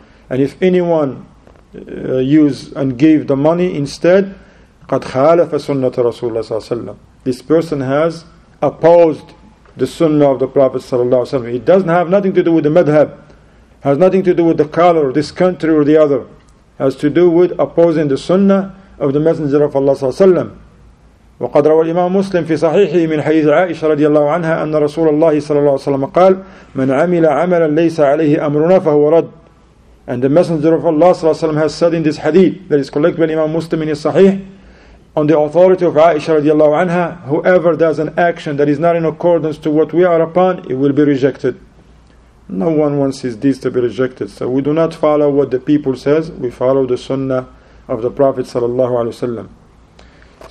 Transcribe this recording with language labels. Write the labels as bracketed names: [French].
[English] And if anyone use and give the money instead, [Arabic] قَدْ خَالَفَ سُنَّةَ رَسُولَ اللَّهِ صَلَّى اللَّهُ عَلَيْهِ وَسَلَّمَ, [English] this person has opposed the sunnah of the Prophet sallallahu alaihi wasallam. It doesn't have nothing to do with the madhab. Has nothing to do with the color of this country or the other. Has to do with opposing the sunnah of the Messenger of Allah sallallahu alaihi wasallam. [Arabic] وقد روى الإمام مسلم في صحيحه من حديث عائشة رضي الله عنها أن رسول الله صلى الله عليه وسلم قال من عمل عملا ليس عليه أمرنا فهو رد. [English] And the Messenger of Allah صلى الله عليه وسلم has said in this hadith that is collected by Imam Muslim in his Sahih on the authority of Aisha radiallahu anha, whoever does an action that is not in accordance to what we are upon, it will be rejected. No one wants his deeds to be rejected. So we do not follow what the people says, we follow the sunnah of the Prophet sallallahu alaihi wasallam.